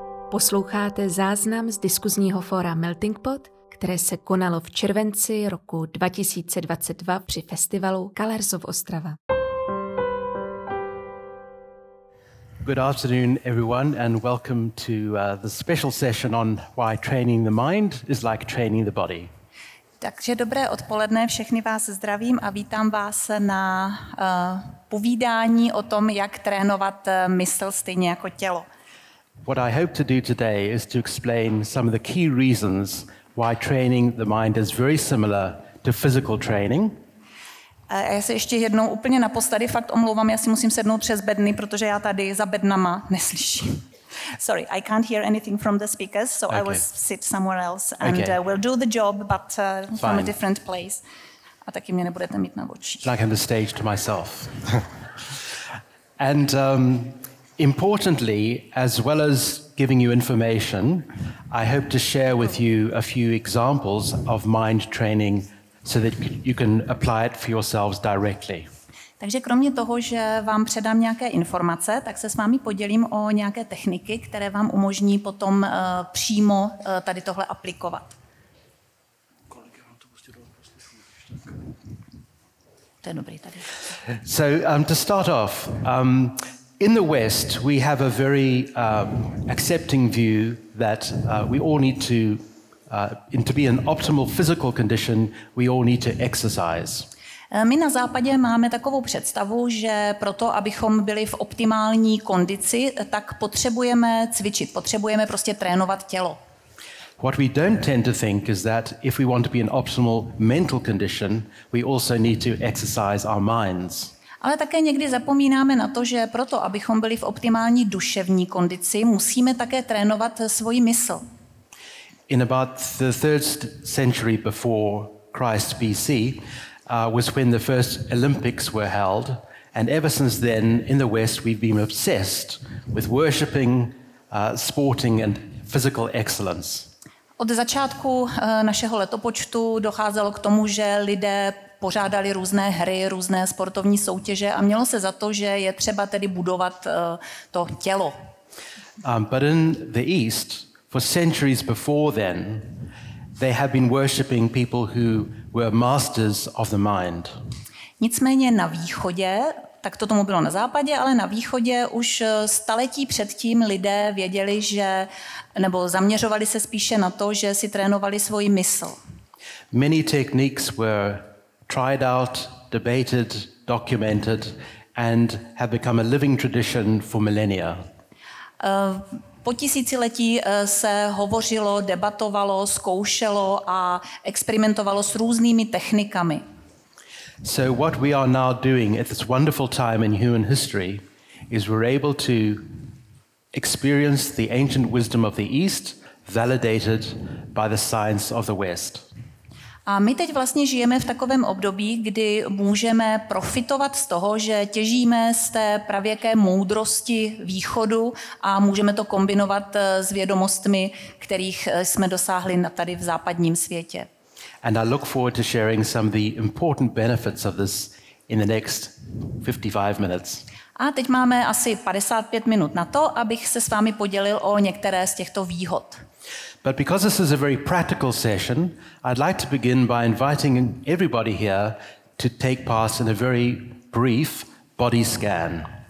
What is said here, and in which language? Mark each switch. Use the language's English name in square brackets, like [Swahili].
[Czech] Posloucháte záznam z diskuzního fóra Melting Pot, které se konalo v červenci roku 2022 při festivalu Colors of Ostrava. [English] Good afternoon, everyone, and welcome to the special session on why training the mind is like training the body. [Czech] Takže dobré odpoledne, všechny vás zdravím a vítám vás na povídání o tom, jak trénovat mysl stejně jako tělo. [English] What I hope to do today is to explain some of the key reasons why training the mind is very similar to physical training. [Czech] A já se ještě jednou úplně naposledy fakt omlouvám, já si musím sednout přes bedny, protože já tady za bednama neslyším. [English] Sorry, I can't hear anything from the speakers, so okay. I will sit somewhere else and okay. We'll do the job, but from a different place. [Czech] A taky mě nebudete mít na oči. [English] Like on the stage to myself. And importantly, as well as giving you information, I hope to share with you a few examples of mind training so that you can apply it for yourselves directly. [Czech] Takže kromě toho, že vám předám nějaké informace, tak se s vámi podělím o nějaké techniky, které vám umožní potom přímo tady tohle aplikovat. To je dobrý tady. [English] So to start off, in the West we have a very accepting view that we all need to be in optimal physical condition, we all need to exercise. [Czech] My na západě máme takovou představu, že proto, abychom byli v optimální kondici, tak potřebujeme cvičit, potřebujeme prostě trénovat tělo. [English] What we don't tend to think is that if we want to be in optimal mental condition, we also need to exercise our minds. [Czech] Ale také někdy zapomínáme na to, že proto, abychom byli v optimální duševní kondici, musíme také trénovat svoji mysl. [English] In about the 3rd century before Christ BC, was when the first Olympics were held, and ever since then in the West we've been obsessed with worshiping, sporting and physical excellence. [Czech] Od začátku našeho letopočtu docházelo k tomu, že lidé pořádali různé hry, různé sportovní soutěže a mělo se za to, že je třeba tedy budovat to tělo. [English] But in the East, for centuries before then, they have been worshiping people who were masters of the mind. [Czech] Nicméně na východě, tak to tomu bylo na západě, ale na východě už staletí předtím lidé věděli, že nebo zaměřovali se spíše na to, že si trénovali svoji mysl. [English] Many techniques were tried out, debated, documented and have become a living tradition for millennia. [Czech] Po tisíciletí se hovořilo, debatovalo, zkoušelo a experimentovalo s různými technikami. [English] So what we are now doing at this wonderful time in human history is we're able to experience the ancient wisdom of the East validated by the science of the West. [Czech] A my teď vlastně žijeme v takovém období, kdy můžeme profitovat z toho, že těžíme z té pravěké moudrosti východu a můžeme to kombinovat s vědomostmi, kterých jsme dosáhli tady v západním světě. [English] And I look forward to sharing some of the important benefits of this in the next 55 minutes. [Czech] A teď máme asi 55 minut na to, abych se s vámi podělil o některé z těchto výhod. [English] But because this is a very practical session, I'd like to begin by inviting everybody here to take part in a very brief body scan.